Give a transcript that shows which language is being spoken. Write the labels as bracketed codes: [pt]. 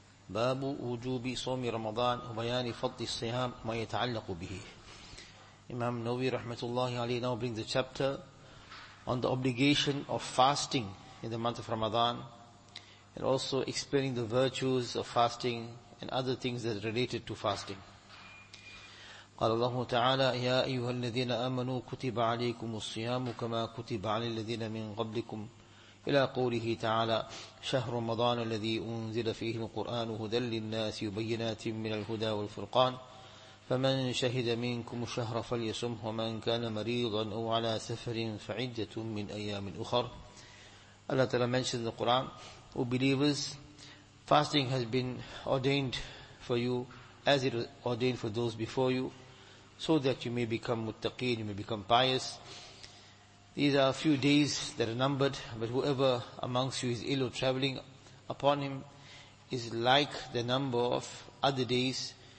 [ar] باب وجوب صوم رمضان وبيان فضل الصيام ما يتعلق به. [en] Imam Nawawi rahmatullahi alayhi now brings the chapter on the obligation of fasting in the month of Ramadan, and also explaining the virtues of fasting and other things that are related to fasting. [ar] قال الله تعالى يا أيها الذين آمنوا كتب عليكم الصيام كما كتب على الذين من قبلكم إلى قوله تعالى شهر رمضان الذي أنزل فيه القرآن هدى للناس وبينات من الهدى والفرقان فمن شهد منكم الشهر فليصمه ومن كان مريضا أو على سفر فعدة من أيام أخر. [en] Allah Ta'ala mentions in the Quran, O believers, fasting has been ordained for you as it was ordained for those before you, so that you may become muttaqeen, you may become pious. These are a few days that are numbered, but whoever amongst you is ill or traveling upon him is like the number of other days.